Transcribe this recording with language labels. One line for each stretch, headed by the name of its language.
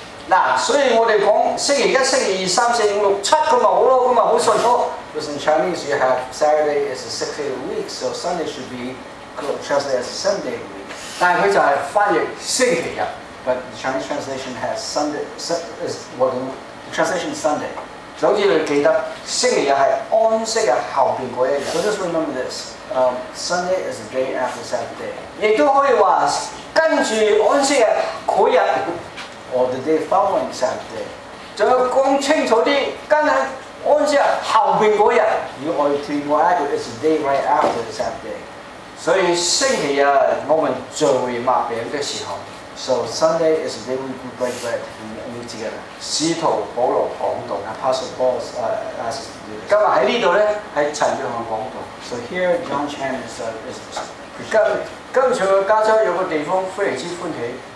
Cantonese: 嗱，所以我哋講星期一、星期二、三、四、五、六、七咁咪好咯，咁咪好順咯。 Because
English: in Chinese you have Saturday is the sixth day of the week, so Sunday should be translated as the seventh day of the week.
Cantonese: 但係佢就係翻譯星期日。 But
English: the Chinese translation has Sunday, is what the translation is Sunday.
Cantonese: 所以你記得星期日係安息日後邊嗰一日。
English: So just remember this. Sunday is the day after Saturday.
Cantonese: 亦都可以話跟住安息日嗰日。
English: Or the day following Saturday.
Cantonese: 仲要講清楚啲，跟住安息日後邊嗰日。
English: You want to be more accurate, it's the day right after the Saturday.
Cantonese: 所以星期日我們聚會擘餅嘅時候。
English: So Sunday is the day we break bread and meet together.
Cantonese: 使徒保罗讲道,
English: Apostle Paul asked us to do this.
Cantonese: 今日喺呢度咧，喺陈约翰讲道.
English: So here John Chan is
Cantonese: preaching. 今次去加州有个地方非常之欢喜.